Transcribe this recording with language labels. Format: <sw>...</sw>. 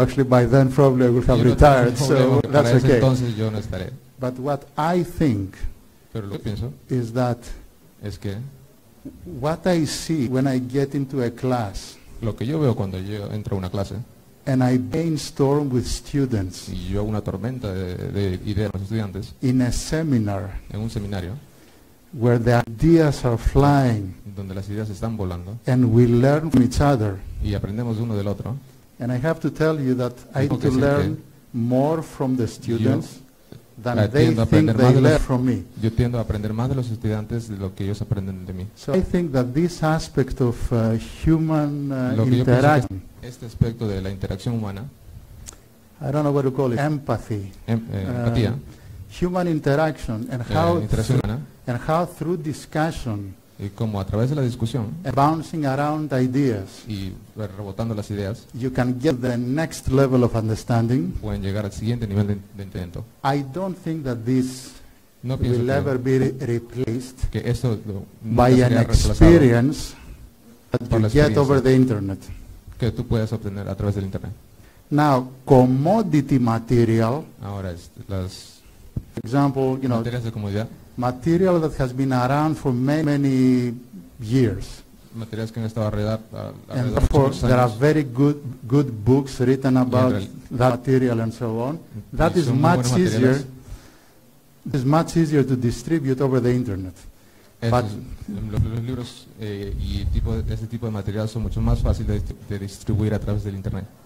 <en>Actually, by then, probably I will have retired, so that's okay.</en> <es>Entonces yo no estaré.</es> <en>But what I think,</en> <es>pero lo que pienso,</es> <en>is that</en> <es>es que</es> <en>what I see when I get into a class,</en> <es>lo que yo veo cuando yo entro a una clase,</es> <en>and I brainstorm with students,</en> <es>y yo hago una tormenta de ideas con los estudiantes,</es> <en>in a seminar,</en> <es>en un seminario,</es> <en>where the ideas are flying,</en> <es>donde las ideas están volando,</es> <en>and we learn from each other,</en> <es>y aprendemos uno del otro,</es> <en>and I have to tell you that I need to learn more from the students than they think they learn from me.</en> <es>Yo tiendo a aprender más de los estudiantes de lo que ellos aprenden de mí.</es> <en>So I think that this aspect of human interaction,</en> <es>este aspecto de la interacción humana,</es> <en>I don't know what to call it, empathy,</en> <es>empatía,</es> <en>human interaction, and how</en> <es>interacción humana,</es> <en>and how through discussion,</en> <es>y como a través de la discusión,</es> <en>bouncing around ideas,</en> <es>y rebotando las ideas,</es> <en>you can get the next level of understanding,</en> <es>pueden llegar al siguiente nivel de entendimiento.</es> <en>I don't think that this will ever be replaced,</en> <es>que esto</es> <en>by an experience that you get over the internet,</en> <es>que tú puedes obtener a través del internet.</es> <en>Now, commodity material.</en> <es>Ahora, las,</es> <en>for example, you know,</en> <es>materias de comodidad.</es> <en>Material that has been around for many years.</en> <es>Materias que han estado alrededor.</es> <en>And therefore,</en> <es>años.</es> <en>There are very good books written about that material and so on. That is much easier. It's much easier to distribute over the internet.</en> <es>Los libros y este tipo de material son mucho más fáciles de distribuir a través del internet.</es>